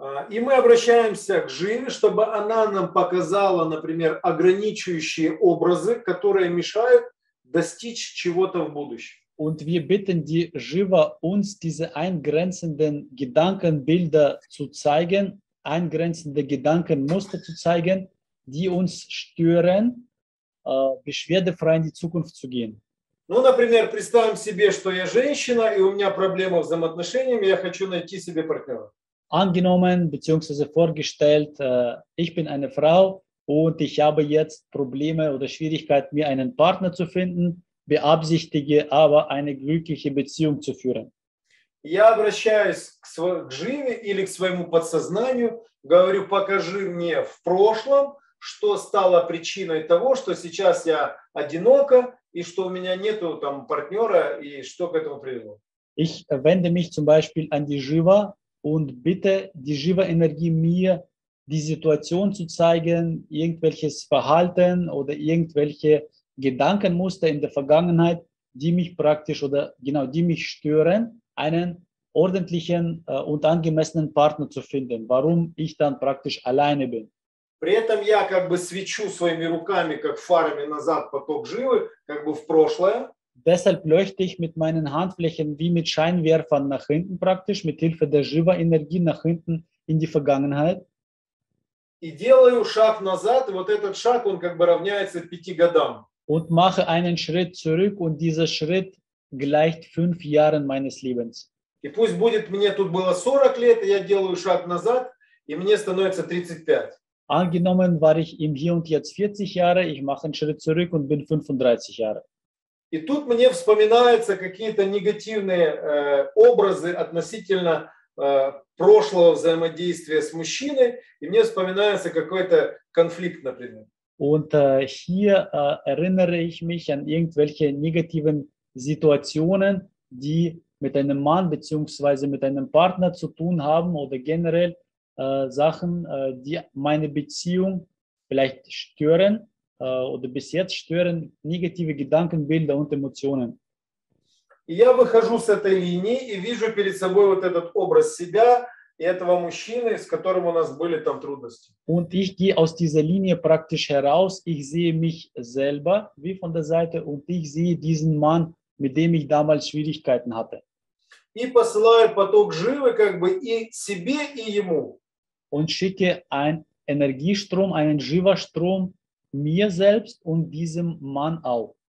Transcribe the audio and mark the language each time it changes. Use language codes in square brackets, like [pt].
[ru] И мы обращаемся к Живе, чтобы она нам показала, например, ограничивающие образы, которые мешают достичь чего-то в будущем. [de] Und wir bitten die Shiva, uns diese eingrenzenden Gedankenbilder zu zeigen, eingrenzende Gedankenmuster zu zeigen, die uns stören, beschwerdefrei in die Zukunft zu gehen. [ru] Ну, например, представим себе, что я женщина, и у меня проблема с взаимоотношениями, я хочу найти себе партнера. [de] Angenommen, beziehungsweise vorgestellt, ich bin eine Frau und ich habe jetzt Probleme oder Schwierigkeiten, mir einen Partner zu finden, beabsichtige aber eine glückliche Beziehung zu führen. [ru] Я обращаюсь к Живе или к своему подсознанию, говорю, покажи мне в прошлом, что стало причиной того, что сейчас я одинока и что у меня нету там партнера и что к этому привело. [de] Ich wende mich zum Beispiel an die Jiva und bitte die Jiva-Energie mir die Situation zu zeigen, irgendwelches Verhalten oder irgendwelche Gedankenmuster in der Vergangenheit, die mich praktisch oder genau die mich stören, einen ordentlichen und angemessenen Partner zu finden, warum ich dann praktisch alleine bin. [ru] При этом я как бы свечу своими руками, как фарами назад поток живы, как бы в прошлое. [de] Deshalb leuchte ich mit meinen Handflächen wie mit Scheinwerfern nach hinten praktisch, mit Hilfe der Jiva-Energie nach hinten in die Vergangenheit. [ru] И делаю шаг назад, и вот этот шаг, он как бы равняется 5 годам. [de] Und mache einen Schritt zurück und dieser Schritt gleicht 5 Jahren meines Lebens. [ru] И пусть будет, мне тут было 40 лет, и я делаю шаг назад, и мне становится 35. [de] Angenommen war ich im Hier und Jetzt 40 Jahre, ich mache einen Schritt zurück und bin 35 Jahre. [ru] И тут мне вспоминаются какие-то негативные образы относительно прошлого взаимодействия с мужчиной, и мне вспоминается какой-то конфликт, например. [de] Und hier erinnere ich mich an irgendwelche negativen Situationen, die mit einem Mann bzw. mit einem Partner zu tun haben oder generell Sachen, die meine Beziehung vielleicht stören oder bis jetzt stören, negative Gedankenbilder und Emotionen. [ru] Я выхожу с этой линии и вижу перед собой вот этот образ себя и этого мужчины, с которым у нас были там трудности. [de] Und ich gehe aus dieser Linie praktisch heraus. Ich sehe mich selber wie von der Seite und ich sehe diesen Mann, mit dem ich damals Schwierigkeiten hatte. [ru] И посылаю поток живы как бы и себе, и ему. [de] Und schicke einen Energiestrom, einen Jiva-Strom mir selbst und diesem Mann auch.